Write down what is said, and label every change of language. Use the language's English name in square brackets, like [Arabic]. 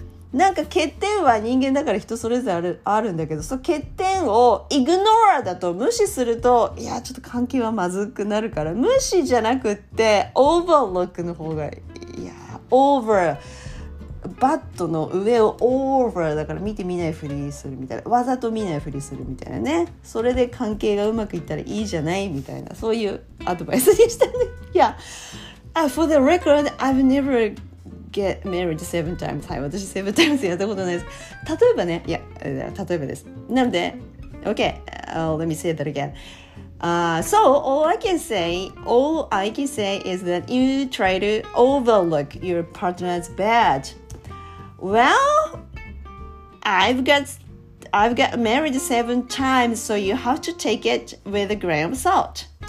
[Japanese] なんか欠点は人間だから人それぞれあるんだけど、その欠点をイグノーだと無視すると、いやちょっと関係はまずくなるから、無視じゃなくってオーバーロックの方がいい。いやオーバーバットの上をオーバーだから見て見ないふりするみたいな、わざと見ないふりするみたいなね、それで関係がうまくいったらいいじゃないみたいな、そういうアドバイスでしたね。 [English] いや、for the record, I've never get married seven times. [Japanese] はい、私 [English] seven times [Japanese] やったことないです。例えばね、いや、例えばです。なので、 [English] okay, let me say that again. So all I can say is that you try to overlook your partner's bed. Well, I've got married seven times, so you have to take it with a grain of salt.